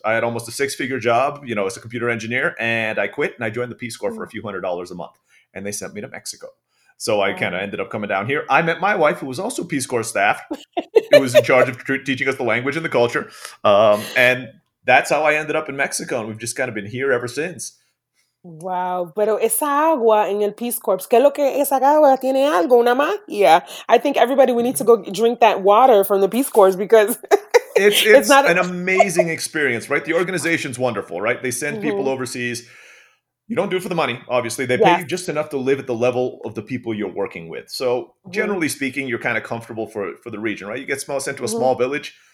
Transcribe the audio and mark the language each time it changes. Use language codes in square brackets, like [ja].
[en] I had almost a six-figure job, as a computer engineer, and I quit, and I joined the Peace Corps for a few $100 a month, and they sent me to Mexico. So I kind of ended up coming down here. I met my wife, who was also Peace Corps staff, who was in charge of teaching us the language and the culture. And that's how I ended up in Mexico. And we've just kind of been here ever since. Wow. [es] Pero esa agua en el Peace Corps, ¿qué es lo que esa agua tiene algo, una magia? [en] I think everybody, we need to go drink that water from the Peace Corps because it's not an amazing experience, right? The organization's wonderful, right? They send people overseas. You don't do it for the money, obviously. They pay you just enough to live at the level of the people you're working with. So generally speaking, you're kind of comfortable for the region, right? You get sent to a small village.